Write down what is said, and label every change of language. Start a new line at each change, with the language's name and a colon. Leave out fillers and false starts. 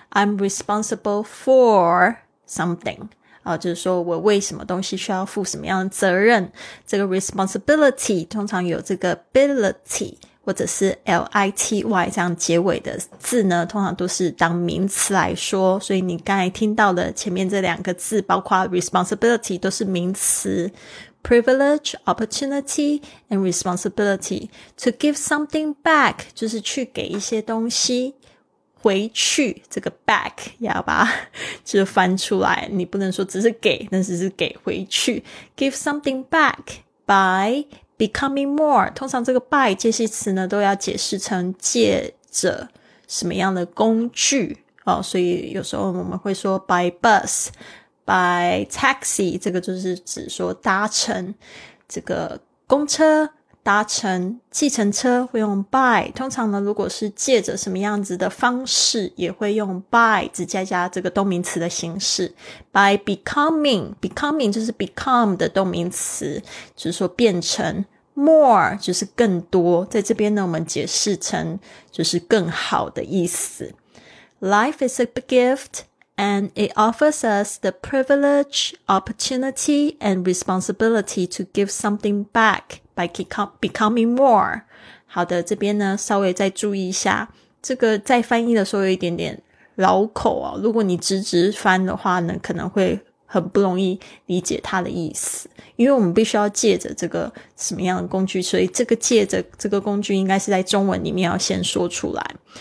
English: I'm responsible for something
Chinese: 就是说我为什么东西需要负什么样的责任。这个 responsibility 通常有这个 ability 或者是 L-I-T-Y 这样结尾的字呢，通常都是当名词来说，所以你刚才听到的前面这两个字包括 responsibility 都是名词。
English: privilege, opportunity and responsibility. To give something back
Chinese: 就是去给一些东西回去，这个 back 要把就是翻出来，你不能说只是给，那只是给回去。
English: give something back by becoming more，
Chinese: 通常这个 by 介系词呢都要解释成借着什么样的工具、哦、所以有时候我们会说
English: by bus， by taxi，
Chinese: 这个就是指说搭乘这个公车，搭乘计程车会用 by， 通常呢如果是借着什么样子的方式也会用 by， 直接加这个动名词的形式。
English: by becoming，
Chinese: becoming 就是 become 的动名词，就是说变成。 more 就是更多，在这边呢我们解释成就是更好的意思。
English: Life is a gift and it offers us the privilege, opportunity and responsibility to give something backby becoming more。
Chinese: 好的，这边呢稍微再注意一下，这个在翻译的时候有一点点绕口哦，如果你直翻的话呢可能会很不容易理解它的意思，因为我们必须要借着这个什么样的工具，所以这个借着这个工具应该是在中文里面要先说出来。